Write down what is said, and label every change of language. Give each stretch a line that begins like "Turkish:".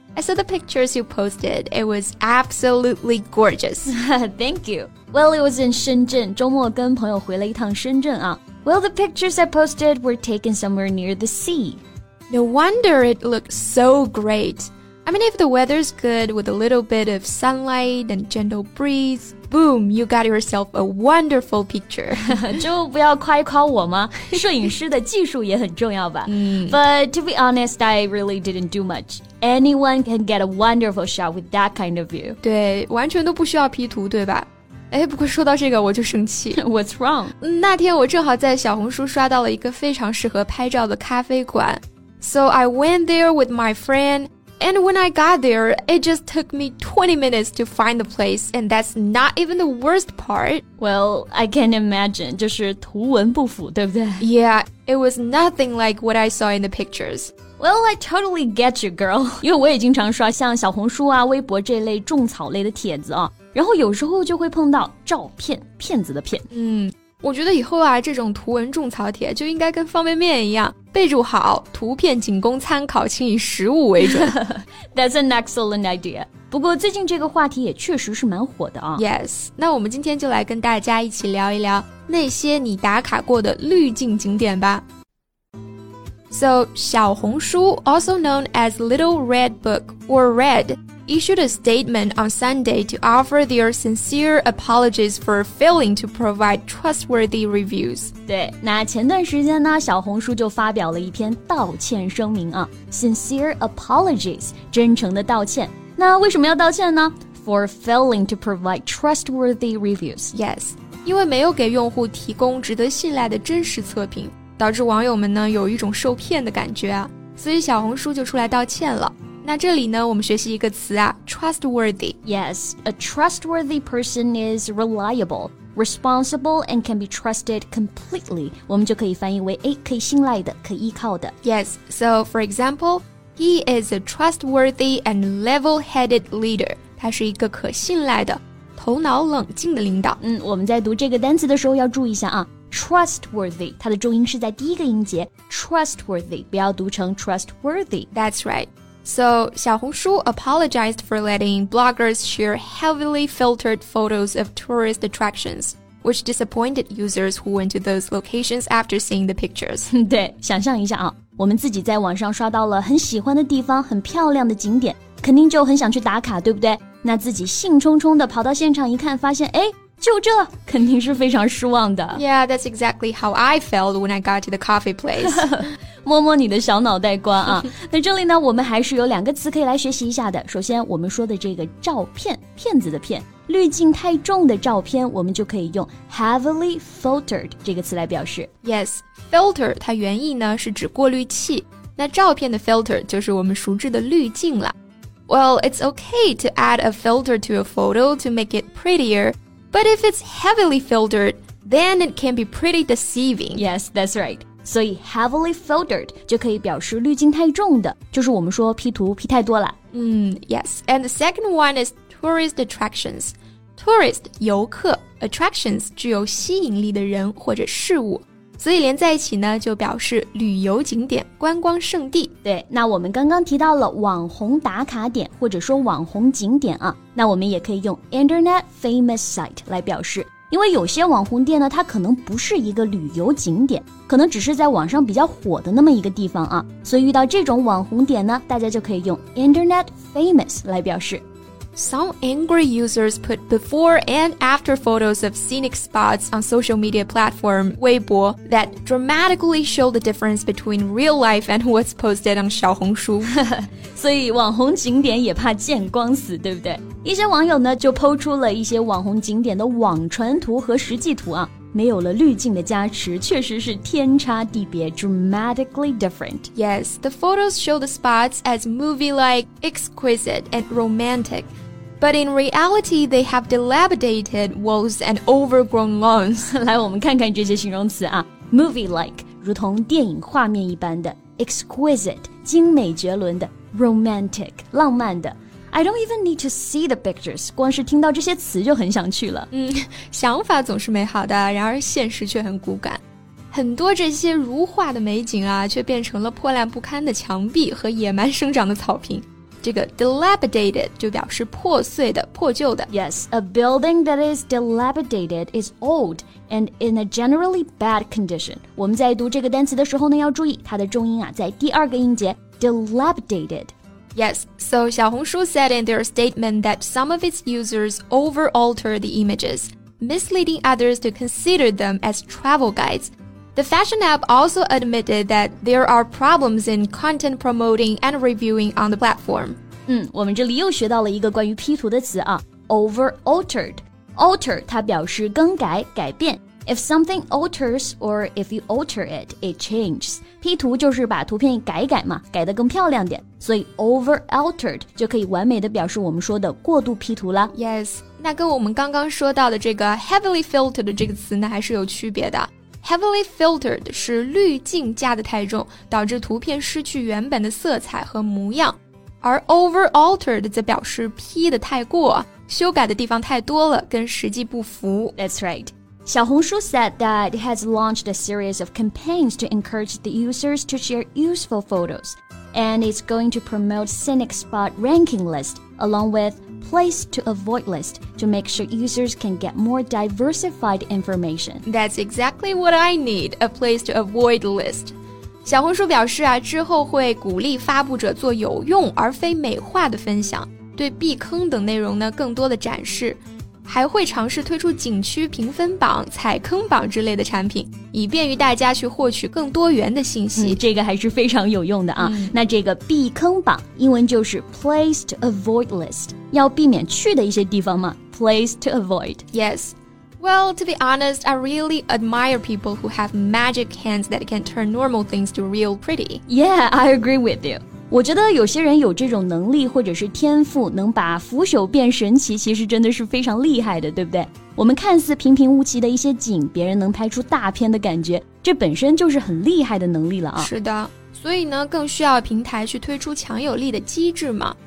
English: I saw the pictures you posted. It was absolutely gorgeous. Thank you. Well, it was in Shenzhen.
Chinese: 周末跟朋友回了一趟深圳啊。
English: Well, the pictures I posted were taken somewhere near the sea. No wonder it looked so great. I mean, if the weather's good with a little bit of sunlight and gentle breeze, boom, you got yourself a wonderful picture.
Chinese: 就不要夸一夸我吗？摄影师的技术也很重要吧。
English: But to be honest, I really didn't do much. Anyone can get a wonderful shot with that kind of view.
Chinese: 对，完全都不需要 P 图，对吧？哎，不过说到这个我就生气。
English: What's wrong?
Chinese: 那天我正好在小红书刷到了一个非常适合拍照的咖啡馆。
English: So I went there with my friend, and when I got there, it just took me 20 minutes to find the place, and that's not even the worst part. Well, I can imagine,
Chinese: 就是图文不符，对不对？
English: Yeah, it was nothing like what I saw in the pictures. Well, I totally get you, girl.
Chinese: 因为我也经常刷像小红书啊、微博这类种草类的帖子啊，然后有时候就会碰到照片，骗子的骗。嗯，我觉得以后啊，这种图文种草帖就应该跟方便面一样，备注好，图片仅供参考，请以实物为准。
English: That's an excellent idea.
Chinese: 不过最近这个话题也确实是蛮火的啊。 Yes, 那我们今天就来跟大家一起聊一聊那些你打卡过的滤镜景点吧。
English: So, 小红书 also known as Little Red Book, or Red, issued a statement on Sunday to offer their sincere apologies for failing to provide trustworthy reviews.
Chinese: 对，那前段时间呢，小红书就发表了一篇道歉声明啊，
English: sincere apologies,
Chinese: 真诚的道歉。那为什么要道歉呢？
English: For failing to provide trustworthy reviews.
Chinese: Yes, 因为没有给用户提供值得信赖的真实测评。导致网友们呢有一种受骗的感觉啊，所以小红书就出来道歉了。那这里呢，我们学习一个词啊 ，trustworthy。
English: Yes, a trustworthy person is reliable, responsible, and can be trusted completely.
Chinese: 我们就可以翻译为，哎，可以信赖的，可以依靠的。
English: Yes. So, for example, he is a trustworthy and level-headed leader.
Chinese: 他是一个可信赖的，头脑冷静的领导。嗯，我们在读这个单词的时候要注意一下啊。Trustworthy, 它的重音是在第一个音节 Trustworthy, 不要读成 trustworthy.
English: That's right. So, 小红书 apologized for letting bloggers share heavily filtered photos of tourist attractions, which disappointed users who went to those locations after seeing the pictures.
Chinese: 对，想象一下啊，我们自己在网上刷到了很喜欢的地方，很漂亮的景点，肯定就很想去打卡，对不对？那自己兴冲冲地跑到现场一看，发现，哎，就这肯定是非常失望的。
English: Yeah, that's exactly how I felt when I got to the coffee place.
Chinese: 摸摸你的小脑袋瓜啊。那这里呢，我们还是有两个词可以来学习一下的。首先我们说的这个照片，骗子的骗，滤镜太重的照片，我们就可以用 heavily filtered 这个词来表示。 Yes, filter 它原意呢是指过滤器，那照片的 filter 就是我们熟知的滤镜了。
English: Well, it's okay to add a filter to a photo to make it prettier,But if it's heavily filtered, then it can be pretty deceiving. Yes, that's right.
Chinese: 所以 heavily filtered 就可以表示滤镜太重的，就是我们说 P 图 P 太多了。
English: Yes. And the second one is tourist attractions.
Chinese: Tourist, 游客 attractions, 具有吸引力的人或者事物。所以连在一起呢，就表示旅游景点、观光胜地。对，那我们刚刚提到了网红打卡点，或者说网红景点啊，那我们也可以用 Internet Famous Site 来表示。因为有些网红店呢，它可能不是一个旅游景点，可能只是在网上比较火的那么一个地方啊。所以遇到这种网红点呢，大家就可以用 Internet Famous 来表示。
English: Some angry users put before and after photos of scenic spots on social media platform Weibo that dramatically show the difference between real life and what's posted on 小红书。
Chinese: 所以网红景点也怕见光死，对不对？一些网友呢就po出了一些网红景点的网传图和实际图啊，没有了滤镜的加持，确实是天差地别
English: dramatically different. Yes, the photos show the spots as movie-like, exquisite, and romantic. But in reality, they have dilapidated walls and overgrown lawns.
Chinese: 来，我们看看这些形容词啊。Movie-like, 如同电影画面一般的。 Exquisite, 精美绝伦的。Romantic, 浪漫的。
English: I don't even need to see the pictures.
Chinese: 光是听到这些词就很想去了。想法总是美好的，然而现实却很骨感。很多这些如画的美景啊，却变成了破烂不堪的墙壁和野蛮生长的草坪。这个 dilapidated 就表示破碎的、破旧的。
English: Yes, a building that is dilapidated is old and in a generally bad condition.
Chinese: 我们在读这个单词的时候呢，要注意它的重音啊，在第二个音节 dilapidated.
English: Yes, so 小红书 said in their statement that some of its users over-alter the images, misleading others to consider them as travel guides. The fashion app also admitted that there are problems in content promoting and reviewing on the platform.
Chinese: 我们这里又学到了一个关于 P 图的词啊 over-altered. Alter 它表示更改、改变。
English: If something alters or if you alter it, it changes.
Chinese: P 图就是把图片改改嘛，改得更漂亮点。所以 over-altered 就可以完美的表示我们说的过度 P 图了。 Yes, 那跟我们刚刚说到的这个 heavily filtered 这个词呢还是有区别的。 Heavily filtered 是滤镜加的太重，导致图片失去原本的色彩和模样。而 over-altered 则表示 P 的太过，修改的地方太多了，跟实际不符。
English: That's right. 小红书 said that it has launched a series of campaigns to encourage the users to share useful photos, and it's going to promote scenic spot ranking list along with place to avoid list to make sure users can get more diversified information. That's exactly what I need, a place to avoid list.
Chinese: 小红书表示啊，之后会鼓励发布者做有用而非美化的分享，对避坑等内容呢更多的展示。还会尝试推出景区评分榜、踩坑榜之类的产品，以便于大家去获取更多元的信息。这个还是非常有用的啊。那这个避坑榜，英文就是 place to avoid list， 要避免去的一些地方嘛。
English: Place to avoid. Yes. Well, to be honest, I really admire people who have magic hands that can turn normal things to real pretty. Yeah, I agree with you.
Chinese: 我觉得有些人有这种能力或者是天赋，能把腐朽变神奇，其实真的是非常厉害的，对不对？我们看似平平无奇的一些景，别人能拍出大片的感觉，这本身就是很厉害的能力了啊。是的，所以呢，更需要平台去推出强有力的机制嘛。